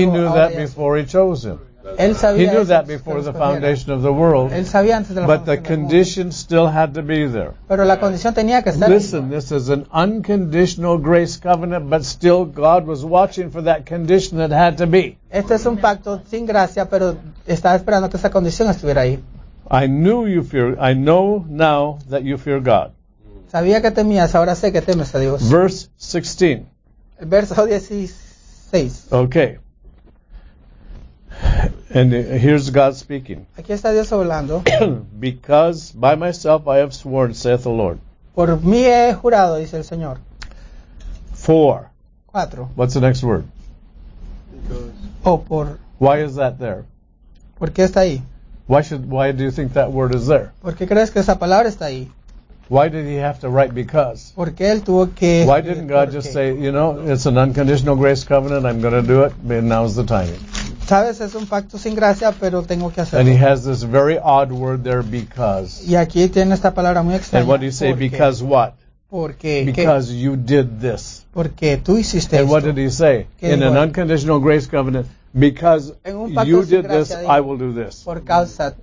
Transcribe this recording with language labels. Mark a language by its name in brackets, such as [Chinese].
[English] he knew that before he chose him. [Spanish] Él sabía [English] he knew that before the foundation of the world. [Spanish] Él sabía antes de la [English] but the condition still had to be there. [Spanish] Pero la condición tenía que estar. [English] Listen, this is an unconditional grace covenant, but still God was watching for that condition that had to be. [Spanish] Este es un pacto sin gracia, pero estaba esperando que esa condición estuviera ahí. [English] I knew you fear. I know now that you fear God. [Spanish] Sabía que temías. Ahora sé que temes a Dios. [English] Verse 16. [Spanish] Verso 16. [English] Okay. And here's God speaking. [Spanish] Aquí está Dios hablando. [English] Because by myself I have sworn, saith the Lord. [Spanish] Por mí he jurado, dice el Señor. [English] Four. [Spanish] Cuatro. [English] What's the next word? [Spanish] Oh, por. [English] Why is that there? [Spanish] ¿Por qué está ahí? [English] Why do you think that word is there? [Spanish] ¿Por qué crees que esa palabra está ahí? [English] Why did he have to write because? [Spanish] ¿Por qué él tuvo que [English] why didn't God just say, you know, it's an unconditional grace covenant, I'm going to do it, but now's the timing. [Spanish] Sabes, es un pacto sin gracia, pero tengo que hacerlo. [English] And he has this very odd word there, because. [Spanish] Y aquí tiene esta palabra muy extraña. [English] And what do you say, because what? [Spanish] Porque. [English] Because que, you did this. [Spanish] Porque tú hiciste [English] and [Spanish] esto. [English] And what did he say? In an unconditional grace covenant, because you did [Spanish] gracia, [English] this, [Spanish] digo, [English] I will do this. [Spanish] Por causa